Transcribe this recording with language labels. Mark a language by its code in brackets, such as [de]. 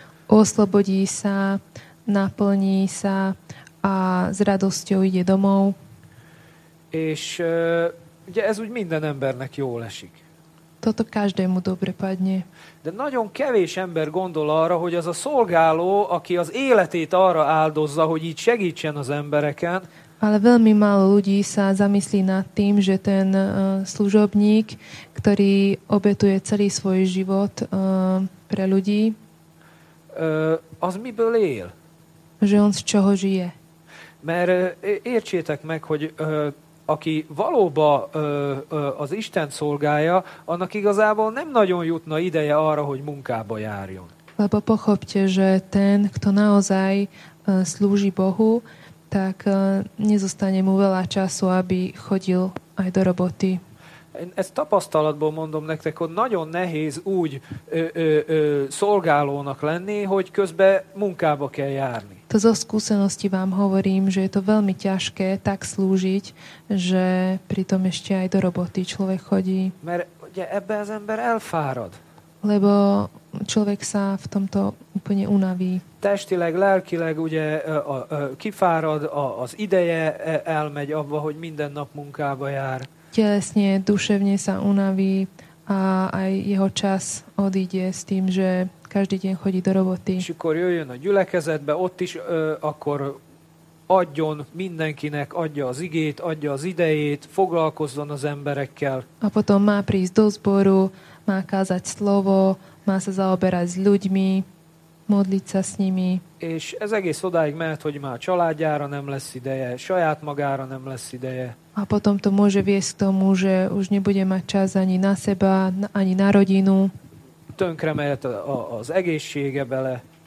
[sk] Oslobodí sa, naplní sa a s radosťou ide domov. [hu] És ugye ez úgy minden embernek jól esik. [sk] Toto každému dobre padne. [hu] De nagyon kevés ember gondol arra, hogy az a szolgáló, aki az életét arra áldozza, hogy így segítsen az embereken. [sk] Ale veľmi málo ľudí sa zamyslí nad tým, že ten služobník, ktorý obetuje celý svoj život pre ľudí, [hu] az miből él? [sk] Že on z čoho žije. [hu] Mert értsétek meg, hogy aki valóban az Isten szolgálja, annak igazából nem nagyon jutna ideje arra, hogy munkába járjon. [sk] Lebo pochopte, že ten, kto naozaj slúži Bohu, tak nezostane mu veľa času, aby chodil aj do roboty. [hu] Ezt tapasztalatból mondom nektek, hogy nagyon nehéz úgy szolgálónak lenni, hogy közben munkába kell járni. [sk] To zo skúsenosti vám hovorím, že je to veľmi ťažké tak slúžiť, že pritom ešte aj do roboty človek chodí. [hu] Mert ugye ebbe az ember elfárad. [sk] Lebo človek sa v tomto úplne unaví. [hu] Testileg, lelkileg ugye kifárad, az ideje elmegy abba, hogy minden nap munkába jár. [sk] Telesne, duševne sa unaví a aj jeho čas odíde s tým, že každý deň chodí do roboty. [hu] És akkor jöjjön a gyülekezetbe, ott is akkor adjon mindenkinek, adja az igét, adja az idejét, foglalkozzon az emberekkel. [sk] A potom má prísť do zboru, má kázať slovo, má sa zaoberať s ľuďmi, modliť sa s nimi. [hu] És ez egész odáig mehet, hogy már családjára nem lesz ideje, saját magára nem lesz ideje. [sk] A potom to môže viesť k tomu, že už nebude mať čas ani na seba, ani na rodinu. [hu] Tönkre mehet az egészsége bele.